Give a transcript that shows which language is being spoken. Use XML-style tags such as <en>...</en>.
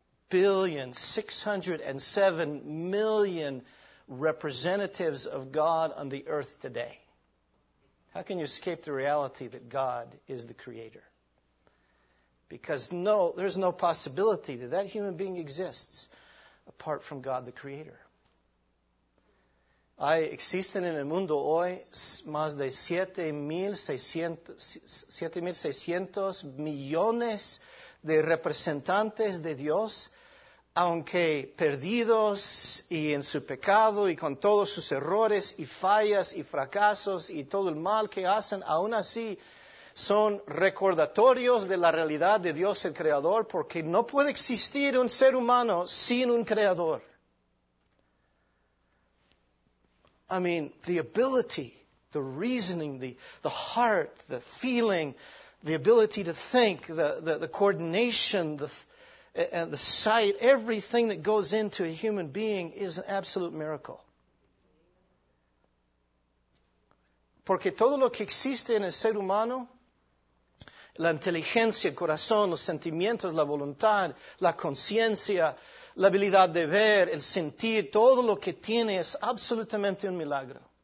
<en>billion, 607 million representatives of God on the earth today. How can you escape the reality that God is the creator? Because no, there's no possibility that that human being exists apart from God the creator.</en> <es>Hay existen en el mundo hoy más de 7.600 millones de representantes de Dios, aunque perdidos y en su pecado y con todos sus errores y fallas y fracasos y todo el mal que hacen, aún así son recordatorios de la realidad de Dios el Creador, porque no puede existir un ser humano sin un Creador.</es> <en>I mean, the ability, the reasoning, the heart, the feeling, the ability to think, the coordination, and the sight, everything that goes into a human being is an absolute miracle.</en> <es>Porque todo lo que existe en el ser humano, la inteligencia, el corazón, los sentimientos, la voluntad, la conciencia, la habilidad de ver, el sentir, todo lo que tiene es absolutamente un milagro.</es>